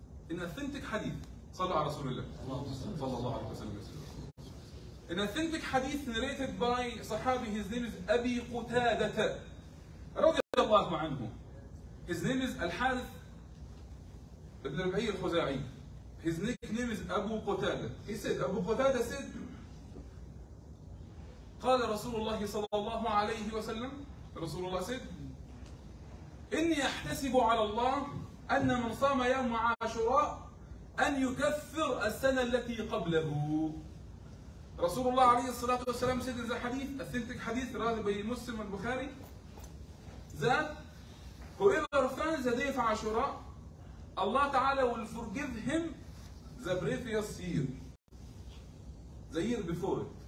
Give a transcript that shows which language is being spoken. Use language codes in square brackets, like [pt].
[en] In authentic hadith, Salah Rasulullah, sallallahu alayhi wa sallam. An authentic hadith narrated by Sahabi, his name is Abi Qutadata radiallahu anhu. His name is Al-Harith ibn Rabi'i al-Khuza'i. His nickname is Abu Qutada. He said, Abu Qutada said, [ar] قَالَ رَسُولُ اللَّهِ صَلَى اللَّهُ عَلَيْهِ وَسَلَّمُ رَسُولُ اللَّهِ [en] said, [ar] إِنِّي أَحْتَسِبُ عَلَى اللَّهِ أَنَّ مَنْ صَامَ يَوْمَ عَاشُرَى أَنْ يُكَفِّرَ السَّنَةَ الَّتِي قَبْلَهُ. رسول الله عليه الصلاة والسلام [en] said in the hadith, authentic hadith, rather by Muslim and Bukhari, that whoever fasts the day of Ashura, Allah Ta'ala will forgive him the previous year, the year before it.